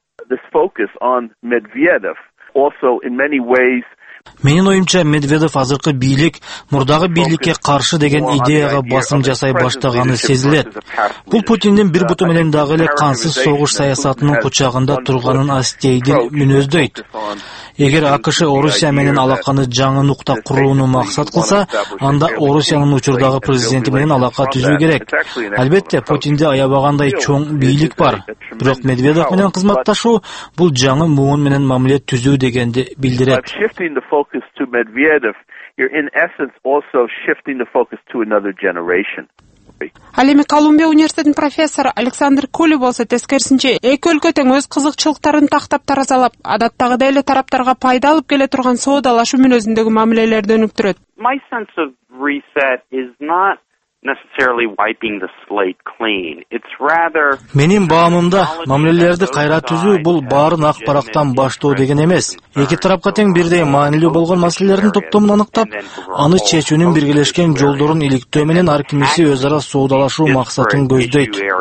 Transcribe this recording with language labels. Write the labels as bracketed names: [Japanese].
[English] This focus on Medvedev also in many ways. [Kyrgyz] Менин оюмча Медведев азыркы бийлик мурдагы бийликке каршы деген идеяга басым жасай баштаганы сезилет. Бул Путиндин бир буту менен дагы эле кансыз согуш саясатынын кучагында турганын астейдин мүнөздөйт. Эгер АКШ Орусия менен алаканы жаңы нукта курууну максат кылса, анда Орусиянын учурдагы президенти менен алака түзүү керек. Албетте, Путинде аябагандай чоң бийлик бар, бирок Медведев менен кызматташуу бул жаңы муун менен мамиле түзүү дегенди билдирет. [English] Focus to Medvedev, you're in essence also shifting the focus to another generation. [Kyrgyz] Ал эми Колумбия университетинин профессору Александр Кули болсо, тескерисинче, эки өлкө тең өз кызыкчылыктарын тактап таразалап, адаттагыдай эле тараптарга пайда алып келе турган соодалашуу мүнөзүндөгү мамилелерди өнүктүрөт. [English] My sense of reset is not necessarily wiping the slate clean. It's rather [Kyrgyz] Менин баамымда мамилелерди кайра түзүү бул баарын ак парактан баштоо деген эмес. Эки тарапка тең бирдей маанилүү болгон маселелердин топтомун аныктап, аны чечүүнүн биргелешкен жолдорун иликтөө менен ар кимиси өз ара соодалашуу максатын көздөйт.